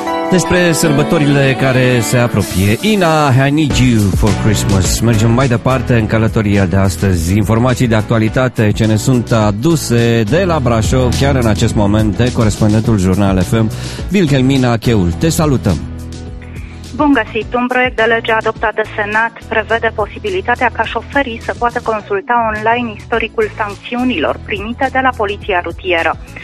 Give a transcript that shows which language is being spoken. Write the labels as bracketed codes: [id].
[ro] despre sărbătorile care se apropie. [en] Ina, I need you for Christmas. [ro] Mergem mai departe în călătoria de astăzi. Informații de actualitate ce ne sunt aduse de la Brașov, chiar în acest moment, de corespondentul Jurnal FM, Wilhelmina Cheul. Te salutăm! Bun găsit! Un proiect de lege adoptat de Senat prevede posibilitatea ca șoferii să poată consulta online istoricul sancțiunilor primite de la poliția rutieră.